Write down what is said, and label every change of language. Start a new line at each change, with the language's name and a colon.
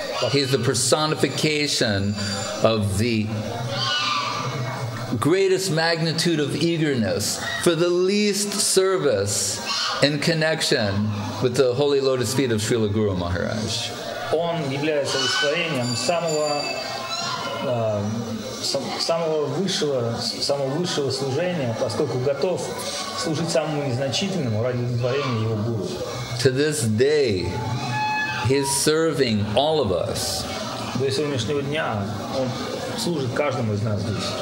English: He's the personification of the greatest magnitude of eagerness for the least service in connection with the holy lotus feet of Шрила Гуру Махарадж.
Russian: Он является воплощением самого высшего служения, поскольку готов служить самому незначительному ради удовлетворения его гуру.
English: To this day, he's serving all of us.
Russian: До сегодняшнего дня он служит каждому из нас здесь.